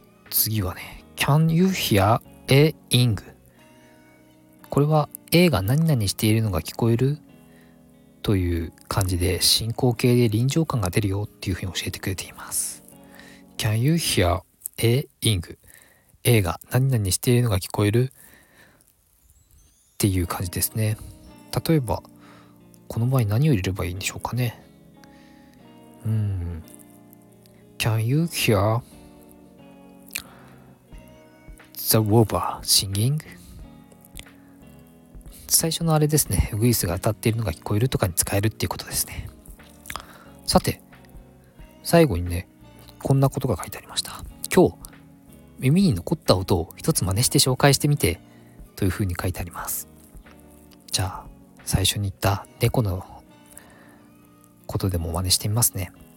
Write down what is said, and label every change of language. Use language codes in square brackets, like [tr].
[ja] 次はね、 [en] Can you hear a ing、 [ja] これは A が何々しているのが聞こえるという感じで、進行形で臨場感が出るよっていうふうに教えてくれています。 [en] Can you hear a ing、 [ja] A が何々しているのが聞こえるっていう感じですね。例えばこの場合何を入れればいいんでしょうかね。 [en] Can you hear the wobber singing? [ja] 最初のあれですね、ウグイスが当たっているのが聞こえるとかに使えるっていうことですね。さて、最後にね、こんなことが書いてありました。今日耳に残った音を一つ真似して紹介してみてというふうに書いてあります。じゃあ最初に言った猫のことでも真似してみますね。